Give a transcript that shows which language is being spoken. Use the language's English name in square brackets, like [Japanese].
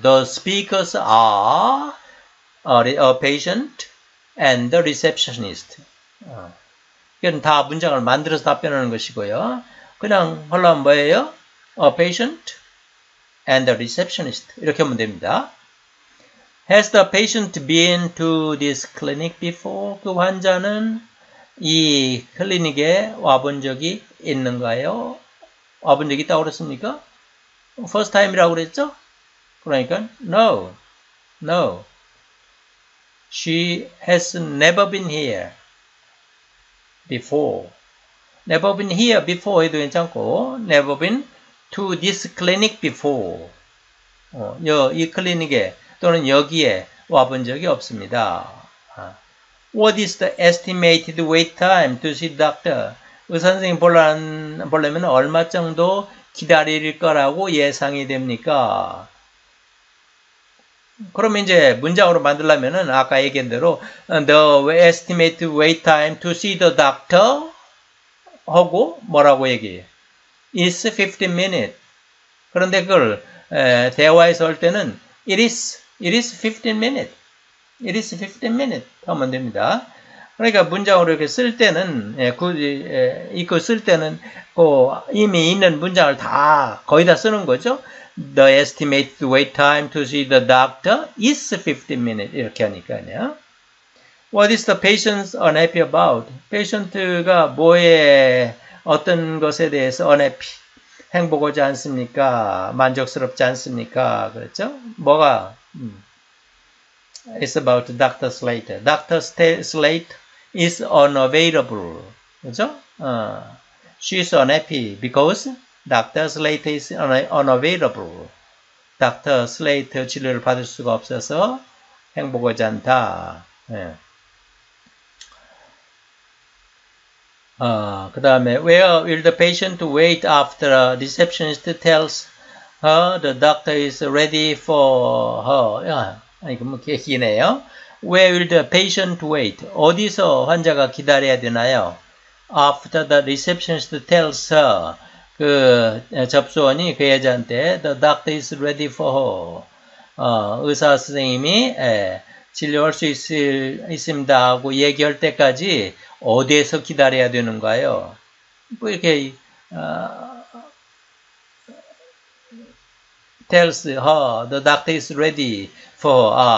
[English] The speakers are a patient and the receptionist. [Korean] 이건 다 문장을 만들어서 답변하는 것이고요. 그냥 하려면 뭐예요? [English] A patient and a receptionist. [Korean] 이렇게 하면 됩니다. [English] Has the patient been to this clinic before? [Korean] 그 환자는 이 클리닉에 와본 적이 있는가요? 와본 적이 있다고 그랬습니까? [English] First time [Korean] 이라고 그랬죠? 그러니까 [English] no, no. She has never been here. Before. Never been here before [Korean] 해도 괜찮고, [English] never been to this clinic before. [Korean] 이 클리닉에 또는 여기에 와본 적이 없습니다. [English] What is the estimated wait time to see doctor? [Korean] 의사선생님 보려면 얼마 정도 기다릴 거라고 예상이 됩니까? 그럼 이제 문장으로 만들려면은 아까 얘기한 대로 [English] the estimated wait time to see the doctor [Korean] 하고 뭐라고 얘기해? [English] is 15 minutes. [Korean] 그런데 그걸 대화에서 할 때는 [English] it is 15 minutes. it is 15 minutes 하면 됩니다. [Korean] 그러니까 문장으로 이렇게 쓸 때는 이거 쓸 때는 이미 있는 문장을 다 거의 다 쓰는 거죠. [English] The estimated wait time to see the doctor is 15 minutes. [Korean] 이렇게 하니까요. [English] What is the patient unhappy about? [Korean] 페이션트가 어떤 것에 대해서 unhappy? 행복하지 않습니까? 만족스럽지 않습니까? 그렇죠? 뭐가? [English] It's about Dr. Slater. Dr. Slater is unavailable. [Korean] 그렇죠? [English] She's unhappy because Dr. Slater is unavailable. Dr. [Korean] Slater 진료를 받을 수가 없어서 행복하지 않다. 예. 그 다음에 [English] Where will the patient wait after a receptionist tells her the doctor is ready for her? [Korean] 이거 뭐 얘기네요. [English] Where will the patient wait? [Korean] 어디서 환자가 기다려야 되나요? [English] After the receptionist tells her [Korean] 그 접수원이 그 여자한테 [English] The doctor is ready for her. [Korean] 의사 선생님이 진료할 수 있습니다 하고 얘기할 때까지 어디에서 기다려야 되는가요? 뭐 이렇게 [English] tells her the doctor is ready for her.